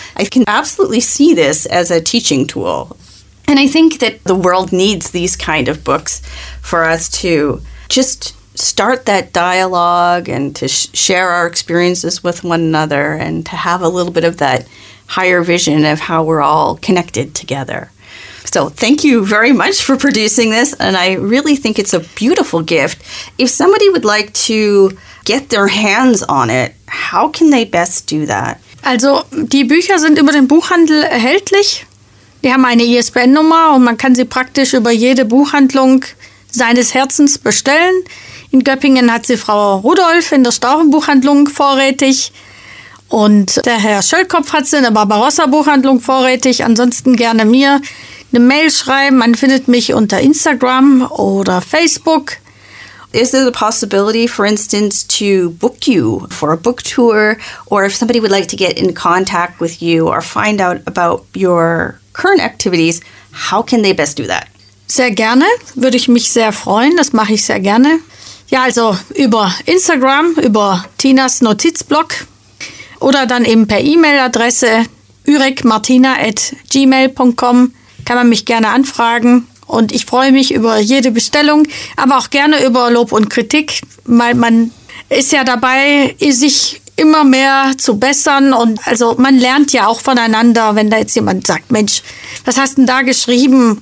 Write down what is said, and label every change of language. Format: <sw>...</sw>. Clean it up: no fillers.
<en>I can absolutely see this as a teaching tool. And I think that the world needs these kind of books for us to just start that dialogue and to share our experiences with one another and to have a little bit of that higher vision of how we're all connected together. So thank you very much for producing this. And I really think it's a beautiful gift. If somebody would like to get their hands on it, how can they best do that?</en> <de>Also, die Bücher sind über den Buchhandel erhältlich. Die haben eine ISBN-Nummer und man kann sie praktisch über jede Buchhandlung seines Herzens bestellen. In Göppingen hat sie Frau Rudolf in der Storchenbuchhandlung vorrätig. Und der Herr Schöllkopf hat sie in der Barbarossa-Buchhandlung vorrätig. Ansonsten gerne mir eine Mail schreiben. Man findet mich unter Instagram oder Facebook.</de> <en>Is there the possibility, for instance, to book you for a book tour? Or if somebody would like to get in contact with you or find out about your current activities, how can they best do that?</en> <de>Sehr gerne. Würde ich mich sehr freuen. Das mache ich sehr gerne. Ja, also über Instagram, über Tinas Notizblog oder dann eben per E-Mail-Adresse urekmartina@gmail.com kann man mich gerne anfragen und ich freue mich über jede Bestellung, aber auch gerne über Lob und Kritik, weil man ist ja dabei, sich immer mehr zu bessern und also man lernt ja auch voneinander, wenn da jetzt jemand sagt, Mensch, was hast denn da geschrieben?</de>